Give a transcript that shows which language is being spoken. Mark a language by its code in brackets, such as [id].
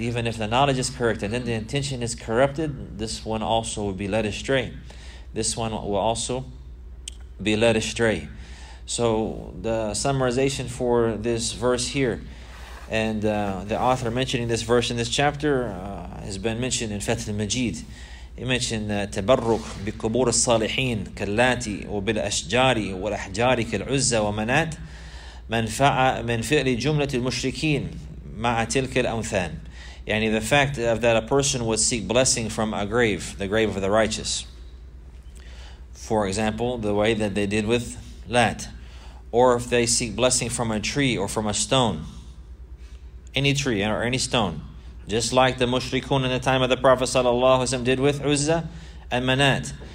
[en] Even if the knowledge is correct and then the intention is corrupted, this one also will be led astray. This one will also be led astray. So the summarization for this verse here, and the author mentioning this verse in this chapter has been mentioned in Fath al-Majid. He mentioned [ar] تبرك بقبور الصالحين كاللاتي وبالأشجار والأحجار كالعزة ومنات من فعل جملة المشركين مع تلك الأوثان. [en] يعني the fact of that a person would seek blessing from a grave, the grave of the righteous. For example, the way that they did with Lat. Or if they seek blessing from a tree or from a stone. Any tree or any stone. Just like the mushrikun in the time of the Prophet ﷺ did with Uzza and Manat.